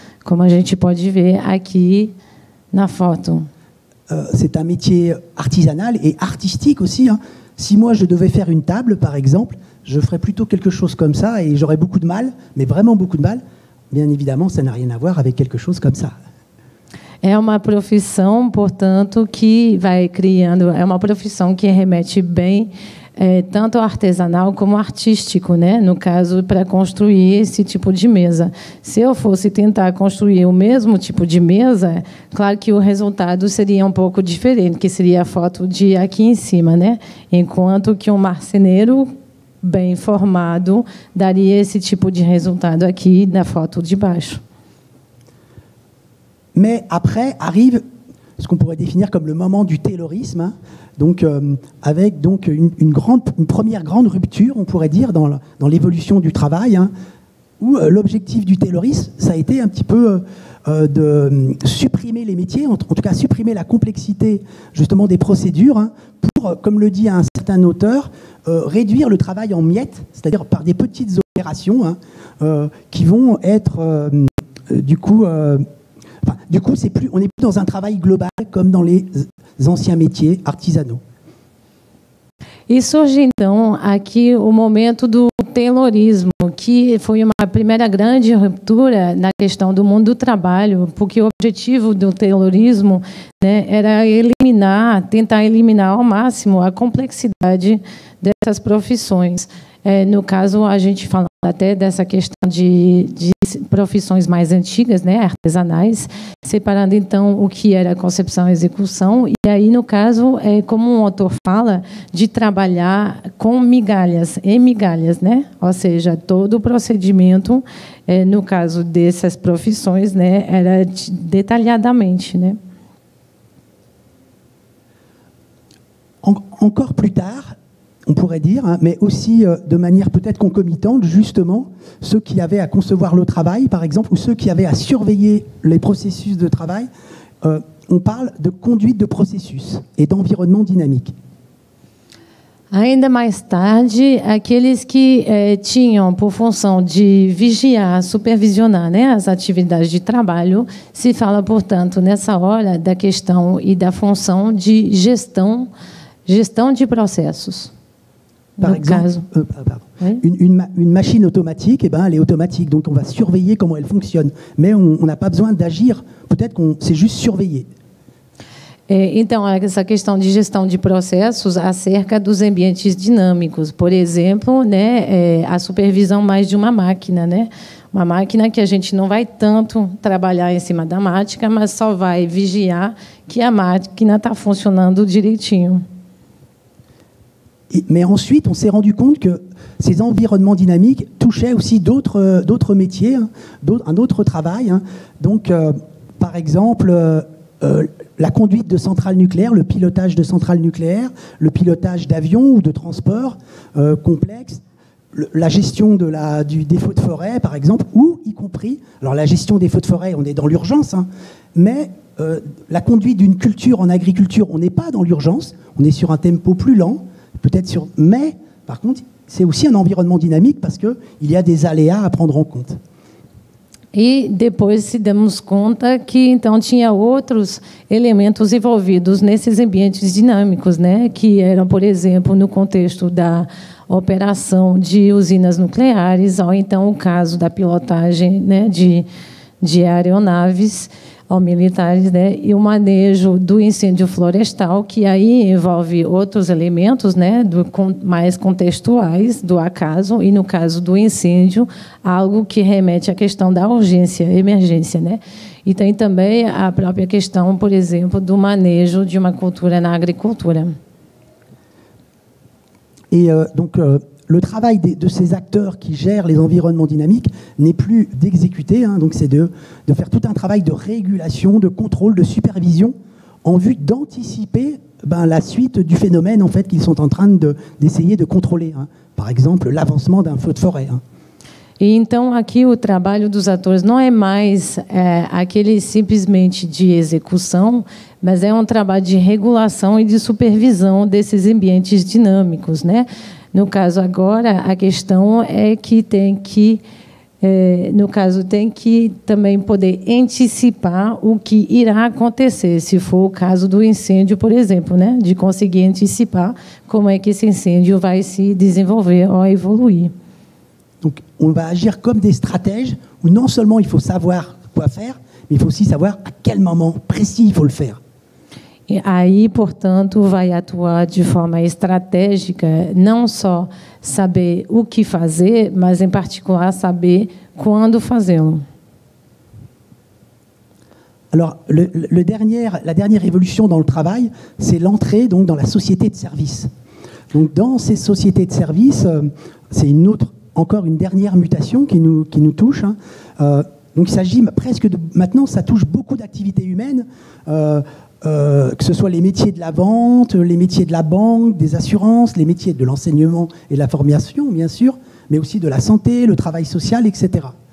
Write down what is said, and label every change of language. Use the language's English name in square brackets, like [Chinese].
[Portuguese] Como a gente pode ver aqui na foto. [French] C'est un métier artisanal et artistique aussi, hein. Si moi je devais faire une table, par exemple, je ferais plutôt quelque chose comme ça et j'aurais beaucoup de mal, mais vraiment beaucoup de mal. Bien évidemment, ça n'a rien à voir avec quelque chose comme ça. [Portuguese] É uma profissão, portanto, que vai criando, é uma profissão que remete bem tanto artesanal como artístico, né? No caso, para construir esse tipo de mesa. Se eu fosse tentar construir o mesmo tipo de mesa, claro que o resultado seria um pouco diferente, que seria a foto de aqui em cima, né? Enquanto que um marceneiro bem formado daria esse tipo de resultado aqui na foto de baixo. [French] Mais après arrive ce qu'on pourrait définir comme le moment du taylorisme, hein, donc, avec donc une première grande rupture, on pourrait dire, dans l'évolution du travail, hein, où l'objectif du taylorisme, ça a été un petit peu de supprimer les métiers, en tout cas supprimer la complexité justement des procédures, hein, pour, comme le dit un certain auteur, réduire le travail en miettes, c'est-à-dire par des petites opérations, hein, qui vont être, du coup, on n'est plus dans un travail global comme dans les anciens métiers artisanaux. [Portuguese] E surge então aqui o momento do taylorismo, que foi uma primeira grande ruptura na questão do mundo do trabalho, porque o objetivo do taylorismo, né, era tentar eliminar ao máximo a complexidade dessas profissões. É, no caso, a gente fala até dessa questão de profissões mais antigas, né, artesanais, separando então o que era concepção e execução, e aí no caso, é, como o autor fala, de trabalhar com migalhas, em migalhas, né, ou seja, todo o procedimento, é, no caso dessas profissões, né, era detalhadamente, né. [French] Encore plus tard, on pourrait dire, hein, mais aussi de manière peut-être concomitante, justement, ceux qui avaient à concevoir le travail, par exemple, ou ceux qui avaient à surveiller les processus de travail, on parle de conduite de processus et d'environnement dynamique. [Portuguese] Ainda mais tarde, aqueles que tinham por função de vigiar, supervisionar, né, as atividades de trabalho, se fala, portanto, nessa hora da questão e da função de gestão de processos. [French] Par exemple, une machine automatique, eh ben, elle est automatique, donc on va surveiller comment elle fonctionne. Mais on n'a pas besoin d'agir, peut-être qu'on sait juste surveiller. [Portuguese] Então, essa questão de gestão de processos acerca dos ambientes dinâmicos, por exemplo, né, a supervisão mais de uma máquina, né? Uma máquina que a gente não vai tanto trabalhar em cima da máquina, mas só vai vigiar que a máquina está funcionando direitinho. [French] Mais ensuite, on s'est rendu compte que ces environnements dynamiques touchaient aussi d'autres métiers, hein, un autre travail. Hein. Donc, par exemple, la conduite de centrales nucléaires, le pilotage de centrales nucléaires, le pilotage d'avions ou de transports complexes, la gestion des feux de forêt, par exemple, ou y compris, alors la gestion des feux de forêt, on est dans l'urgence, hein, mais la conduite d'une culture en agriculture, on n'est pas dans l'urgence, on est sur un tempo plus lent. Peut-être sur, mais par contre, c'est aussi un environnement dynamique parce que il y a des aléas à prendre en compte. [Portuguese] Et depois se demos conta que então tinha outros elementos envolvidos nesses ambientes dinâmicos, né, que eram, por exemplo, no contexto da operação de usinas nucleares, ou então o caso da pilotagem, né, de aeronaves ou militares, né, e o manejo do incêndio florestal, que aí envolve outros elementos, né, mais contextuais do acaso, e no caso do incêndio, algo que remete à questão da urgência, emergência, né. E tem também a própria questão, por exemplo, do manejo de uma cultura na agricultura. [French] E, le travail de ces acteurs qui gèrent les environnements dynamiques n'est plus d'exécuter, hein, donc c'est de faire tout un travail de régulation, de contrôle, de supervision, en vue d'anticiper la suite du phénomène en fait, qu'ils sont en train d'essayer de contrôler. Hein. Par exemple, l'avancement d'un feu de forêt. Hein. [Portuguese] Et então, aqui, o trabalho dos atores não é mais aquele simplesmente de execução, mas é um trabalho de regulação e de supervisão desses ambientes dinâmicos, né? No caso agora, a questão é que tem que, no caso, tem que também poder antecipar o que irá acontecer, se for o caso do incêndio, por exemplo, né? De conseguir antecipar como é que esse incêndio vai se desenvolver ou evoluir. Então, [French] on va agir comme des stratèges, où non seulement il faut savoir quoi faire, mais il faut aussi savoir à quel moment précis il faut le faire. [Portuguese] E aí, portanto, vai atuar de forma estratégica, não só saber o que fazer, mas, em particular, saber quando fazê-lo. [French] Alors, la dernière évolution dans le travail, c'est l'entrée donc dans la société de service. Donc, dans ces sociétés de service, c'est une autre, encore une dernière mutation qui nous touche, hein, Donc il s'agit presque de... Maintenant, ça touche beaucoup d'activités humaines, que ce soit les métiers de la vente, les métiers de la banque, des assurances, les métiers de l'enseignement et de la formation, bien sûr, mais aussi de la santé, le travail social, etc.